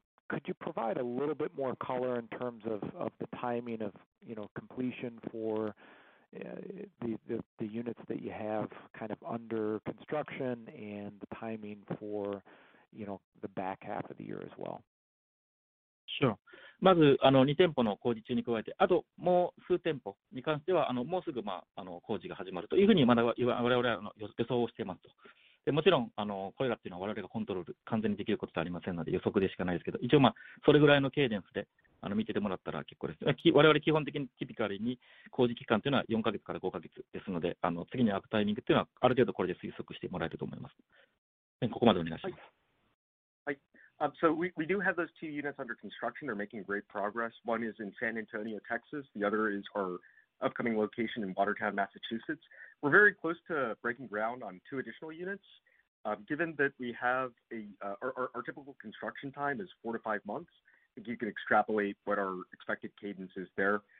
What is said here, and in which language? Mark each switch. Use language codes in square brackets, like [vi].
[en] Could you provide a little bit more color in terms of the timing of, you know, completion for the units that you have kind of under construction and the timing for, you know, the back half of the year as well? Sure. [ja] まず、2店舗の工事中に加えて、あともう数店舗に関しては、もうすぐ、工事が始まるというふうに、まだ我々は予想をしていますと。でもちろん、これらっていうのは我々がコントロール、完全にできることはありませんので、予測でしかないですけど、一応、それぐらいのケーデンスで見ててもらったら結構です。我々基本的にティピカルに工事期間というのは4ヶ月から5ヶ月ですので、次に開くタイミングというのは、ある程度これで推測してもらえると思います。ここまでお願いします。はい。 [en] So we do have those two units under construction. They're making great progress. One is in San Antonio, Texas. The other is our upcoming location in Watertown, Massachusetts. We're very close to breaking ground on two additional units. Given that we have our typical construction time is 4 to 5 months, I think you can extrapolate what our expected cadence is there.